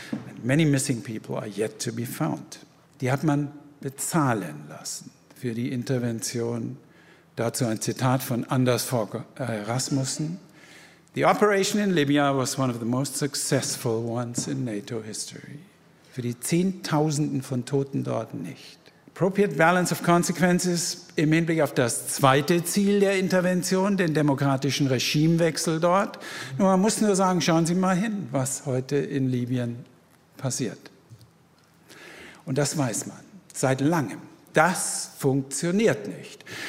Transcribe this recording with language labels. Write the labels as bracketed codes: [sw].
[en] And many missing people are yet to be found. [de] Die hat man bezahlen lassen für die Intervention. Dazu ein Zitat von Anders Fogh Rasmussen. [en] The operation in Libya was one of the most successful ones in NATO history. [de] Für die Zehntausenden von Toten dort nicht. [en] Appropriate balance of consequences [de] im Hinblick auf das zweite Ziel der Intervention, den demokratischen Regimewechsel dort. Nur man muss nur sagen, schauen Sie mal hin, was heute in Libyen passiert. Und das weiß man seit langem. Das funktioniert nicht.